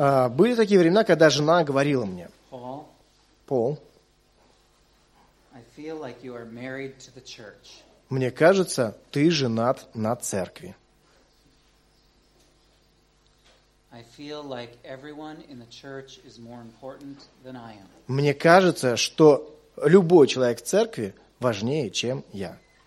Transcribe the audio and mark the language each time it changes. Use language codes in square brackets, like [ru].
[ru] Были такие времена, когда жена говорила мне: Пол, [en] I feel like you are married to the church. [ru] Мне кажется, ты женат на церкви. [en] I feel like everyone in the church is more important than I am. [ru] Мне кажется, что любой человек в церкви важнее, чем я.